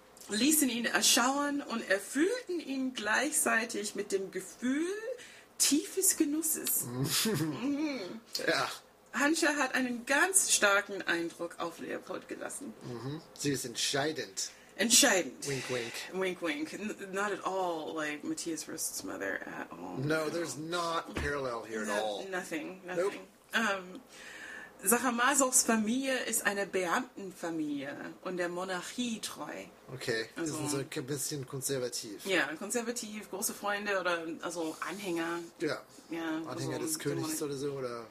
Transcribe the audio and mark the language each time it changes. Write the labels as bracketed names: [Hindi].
[German] Ließen ihn erschauern und erfüllten ihn gleichzeitig mit dem Gefühl tiefes Genusses. [English] Mm. Yeah. [German] Hanscha hat einen ganz starken Eindruck auf Leopold gelassen. Mm-hmm. Sie ist entscheidend. Entscheidend. [English] Wink, wink. Wink, wink. Not at all like Matthias Rust's mother at all. No, there's not parallel here at all. Nothing. Nope. [German] Zachamazovs Familie ist eine Beamtenfamilie und der Monarchie treu. Okay, also, die sind so ein bisschen konservativ. Ja, konservativ, große Freunde oder also Anhänger. Ja, ja Anhänger also des Königs Monarchie. Oder so. Oder